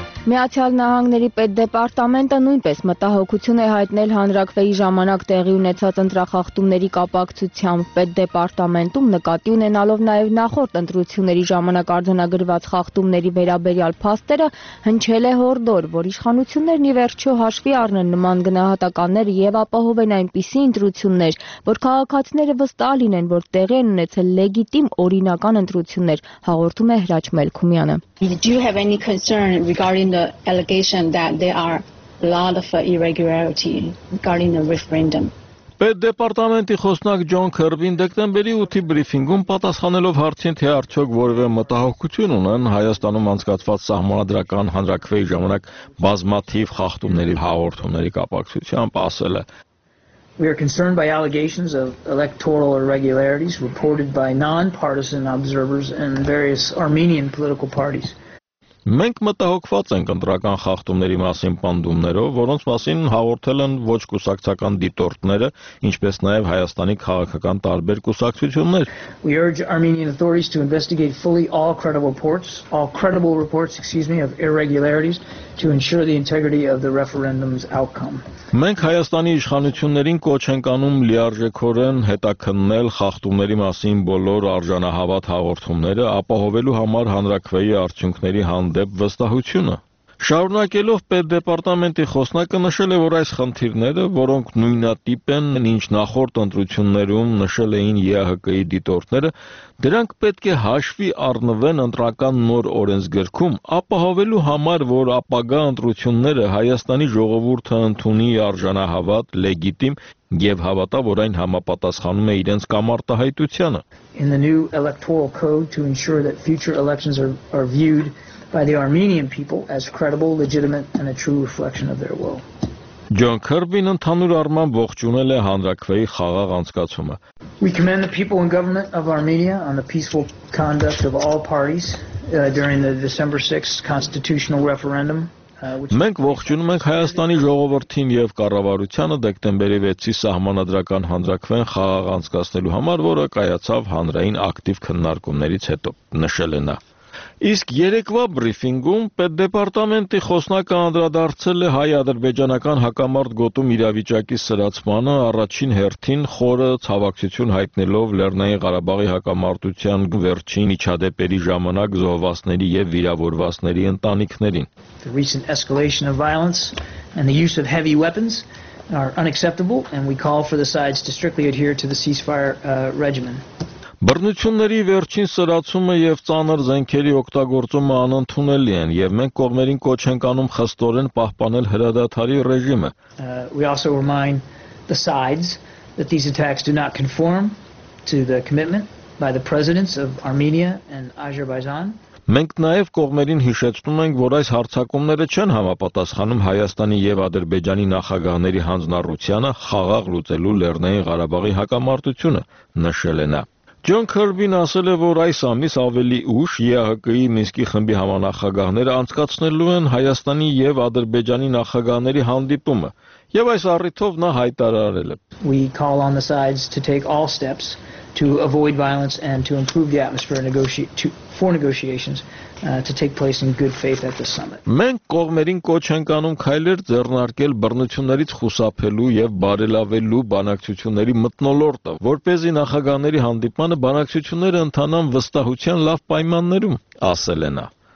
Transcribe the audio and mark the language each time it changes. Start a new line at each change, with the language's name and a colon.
Armenian: Միացյալ Նահանգների պետդեպարտամենտը նույնպես մտահոգություն է հայտնել հանրաքվեի ժամանակ տեղի ունեցած ընտրախախտումների կապակցությամբ, պետդեպարտամենտում նկատի ունենալով նաև նախորդ ընտրությունների ժամանակ արձանագրված խախտումների վերաբերյալ փաստերը, հնչել է հորդոր, որ իշխանություններն ի վերջո հաշվի առնեն նման գնահատականները և ապահովեն այնպիսի ընտրություններ, որ քաղաքացիները վստահ լինեն, որ տեղի են ունեցել լեգիտիմ օրինական ընտրություններ, հաղորդում է Հրաչ Մելքումյանը։
English: Do you have any concern regarding the allegation that there are a lot of irregularity regarding the referendum?
Armenian: Պետ դեպարտամենտի խոսնակ Ջոն Քերբին դեկտեմբերի 8-ի բրիֆինգում պատասխանելով հարցին, թե արդյոք որևէ մտահոգություն ունեն Հայաստանում անցկացված սահմանադրական հանրաքվեի ժամանակ բազմաթիվ խախտումների հաղորդումների կապակցությամբ, ասել է.
English: We are concerned by allegations of electoral irregularities reported by non-partisan observers and various Armenian political parties.
Armenian: Մենք մտահոգված ենք ընտրական խախտումների մասին պանդումներով, որոնց մասին հաղորդել են ոչ կուսակցական դիտորդները, ինչպես նաև Հայաստանի քաղաքական տարբեր կուսակցություններ.
English: We urge Armenian authorities to investigate fully all credible reports, of irregularities to ensure the integrity of the referendum's outcome.
Armenian: Մենք Հայաստանի իշխանություններին կոչ ենք անում լիարժեքորեն հետաքննել խախտումների մասին բոլոր արժանահավատ հաղորդումները, ապահովելու համար հանրաքվեի արդյունքների հանդեպ վստահությունը։ Շարունակելով, պետ դեպարտամենտի խոսնակը նշել է, որ այս խնդիրները, որոնք նույնատիպ են, ինչ նախորդ ընտրություններում նշել էին ԵԱՀԿ-ի դիտորդները, դրանք պետք է հաշվի առնվեն ընտրական նոր օրենսգրքում, ապահովելու համար, որ ապագա ընտրությունները Հայաստանի ժողովուրդը ընդունի արժանահավատ, լեգիտիմ և հավատա, որ այն համապատասխանում է իրենց կամարտահայտությանը։
English: In the new electoral code to ensure that future elections are viewed by the Armenian people as credible, legitimate and a true reflection of their will.
Armenian: Ջոն Քերբին ընդհանուր առմամբ ողջունել է հանրաքվեի խաղաղ անցկացումը։
English: We commend the people and government of Armenia on the peaceful conduct of all parties during the December 6th constitutional referendum.
Armenian: Մենք ողջունում ենք Հայաստանի ժողովրդին և կառավարությանը դեկտեմբերի 6-ի սահմանադրական հանրաքվեն խաղաղ անցկացնելու համար, որը կայացավ հանրային ակտիվ քննարկումներից հետո, նշել է նա։ Իսկ երեկվա բրիֆինգում պետ դեպարտամենտի խոսնակը անդրադարձել է հայ-ադրբեջանական հակամարտ գոտում իրավիճակի սրացմանը առաջին հերթին, խորը ցավակցություն հայտնելով Լեռնային Ղարաբաղի հակամարտության վերջին միջադեպերի ժամանակ զոհվածների և վիրավորվածների ընտանիքներին.
English: The recent escalation of violence and the use of heavy weapons are unacceptable and we call for the sides to strictly adhere to the ceasefire regimen.
Armenian: Բռնությունների վերջին սրացումը և ծանր զենքերի օգտագործումը անընդունելի են, և մենք կողմերին կոչ ենք անում խստորեն պահպանել հրադադարի ռեժիմը։
English: We also remind the sides that these attacks do not conform to the commitment by the presidents of Armenia and Azerbaijan.
Armenian: Մենք նաև կողմերին հիշեցնում ենք, որ այս հարցակումները չեն համապատասխանում Հայաստանի և Ադրբեջանի նախագահների հանձնառությանը խաղաղ լուծելու Լեռնային Ղարաբաղի հակամարտությունը, նշել է նա։ Ջոն Քերբին ասել է, որ այս ամիս ավելի ուշ ԵԱՀԿ-ի Մինսկի խմբի համանախագահները անցկացնելու են Հայաստանի և Ադրբեջանի նախագահների հանդիպումը, և այս առիթով նա հայտարարել է.
English: We call on the sides to take all steps to avoid violence and to improve the atmosphere for negotiations to take place in good faith at the summit.
Armenian: Մենք կողմերին կոչ ենք անում քայլեր ձեռնարկել բռնություններից խուսափելու և բարելավելու բանակցությունների մտնոլորտը, որպեսզի նախագահների հանդիպմանը բանակցությունները ընթանան վստահության լավ պայմաններում, ասել է նա.